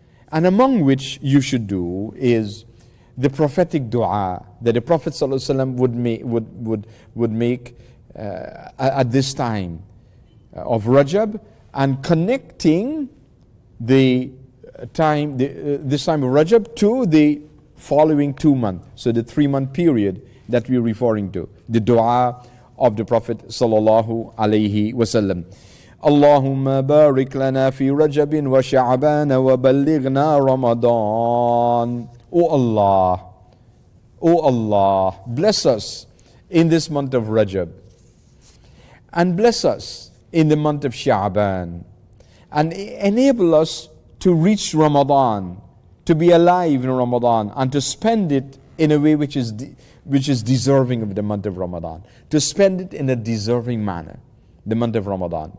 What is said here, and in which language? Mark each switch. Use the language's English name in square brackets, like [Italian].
[English] And among which you should do is the prophetic dua that the Prophet ﷺ would make at this time of Rajab, and connecting this time of Rajab to the following 2 months, so the 3 month period that we're referring to, the dua of the Prophet sallallahu alaihi wasallam. [Arabic] اللهم بارك لنا في رجب وشعبان وبلغنا رمضان. [English] Oh Allah, bless us in this month of Rajab, and bless us in the month of Sha'ban, and enable us to reach Ramadan, to be alive in Ramadan, and to spend it in a way which is deserving of the month of Ramadan, to spend it in a deserving manner. The month of Ramadan.